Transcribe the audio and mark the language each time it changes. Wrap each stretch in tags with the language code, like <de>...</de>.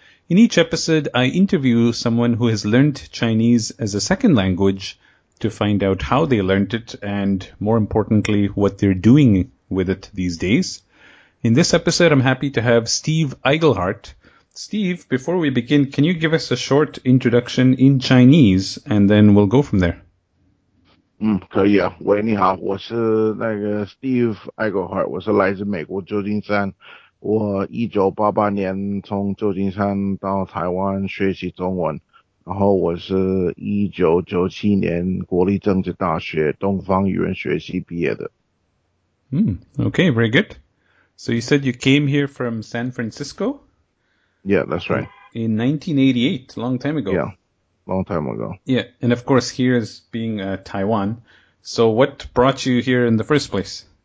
<en>In each episode, I interview someone who has learned Chinese as a second language to find out how they learned it and, more importantly, what they're doing with it these days. In this episode, I'm happy to have Steve Iglehart. Steve, before we begin, can you give us a short introduction in Chinese and then we'll go from there?</en> <zh>可以啊。喂，你好，我是那个 Steve Iglehart， 我是来自美国旧金山。我1988年从旧金山到台湾学习中文，然后我是1997年国立政治大学东方语言学系毕业的。</zh> <en>Okay, very good. So you said you came here from San Francisco? Yeah, that's right. In 1988, long time ago. Yeah. Long time ago. Yeah, and of course, here is being Taiwan. So what brought you here in the first place?</en>